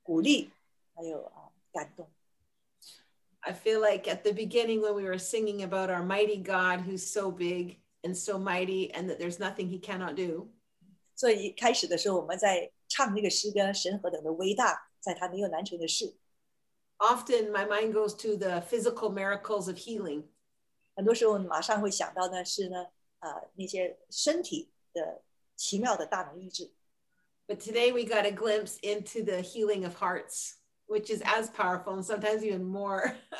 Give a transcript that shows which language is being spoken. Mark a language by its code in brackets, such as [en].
[zh] 所以呢，被你们鼓励，还有感动。 [en] I feel like at the beginning when we were singing about our mighty God who's so big and so mighty and that there's nothing he cannot do. [zh] 所以一开始的时候我们在唱那个诗歌，神何等的伟大，在他没有难成的事。 [en] Often my mind goes to the physical miracles of healing. [zh] 很多时候马上会想到的是呢，那些身体的奇妙的大能医治。 [en] But today we got a glimpse into the healing of hearts, which is as powerful and sometimes even more.